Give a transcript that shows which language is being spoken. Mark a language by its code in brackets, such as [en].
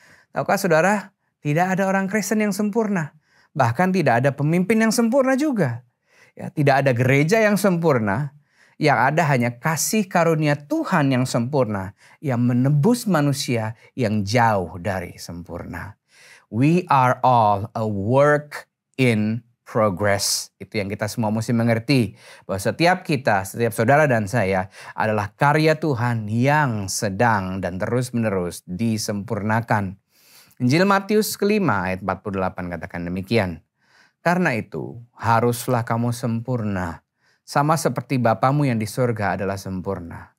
[id] Taukah saudara, tidak ada orang Kristen yang sempurna. Bahkan tidak ada pemimpin yang sempurna juga. Ya, tidak ada gereja yang sempurna. Yang ada hanya kasih karunia Tuhan yang sempurna, yang menebus manusia yang jauh dari sempurna. [en] We are all a work in progress. [id] Itu yang kita semua mesti mengerti. Bahwa setiap kita, setiap saudara dan saya adalah karya Tuhan yang sedang dan terus-menerus disempurnakan. Injil Matius 5 ayat 48 katakan demikian. Karena itu haruslah kamu sempurna. Sama seperti Bapamu yang di surga adalah sempurna.